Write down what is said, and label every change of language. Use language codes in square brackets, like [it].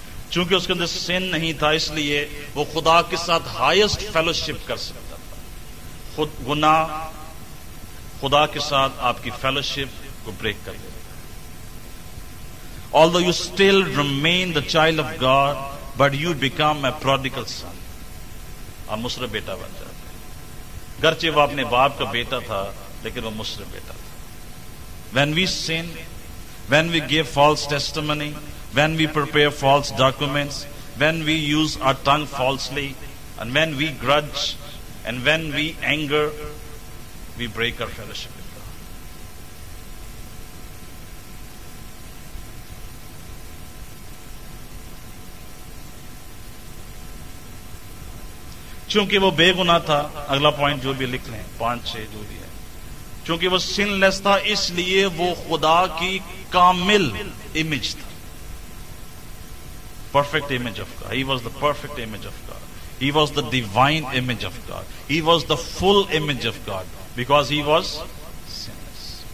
[ur] چونکہ اس کے اندر سین نہیں تھا، اس لیے وہ خدا کے ساتھ ہائیسٹ فیلوشپ کر سکتا تھا. خود گناہ خدا کے ساتھ آپ کی فیلوشپ کو بریک کر دیتا. [en] Although you still remain the child of God, but you become a prodigal son. [ur] آپ مصرف بیٹا بن جاتا ہے. گرچہ وہ اپنے باپ کا بیٹا تھا، لیکن وہ مصرف بیٹا تھا. [en] When we sin, when we give false testimony, when we prepare false documents, when we use our tongue falsely, and when we grudge, and when we anger, we break our fellowship with God. [ur] چونکہ وہ بے گناہ تھا، اگلا point جو بھی لکھ لیں، پانچ چھ جو بھی ہے، چونکہ وہ سن لیس تھا، اس لیے وہ خدا کی کامل امیج تھا. [en] Perfect image of God. He was the perfect image of God. He was the divine image of God. He was the full image of God because he was sinless.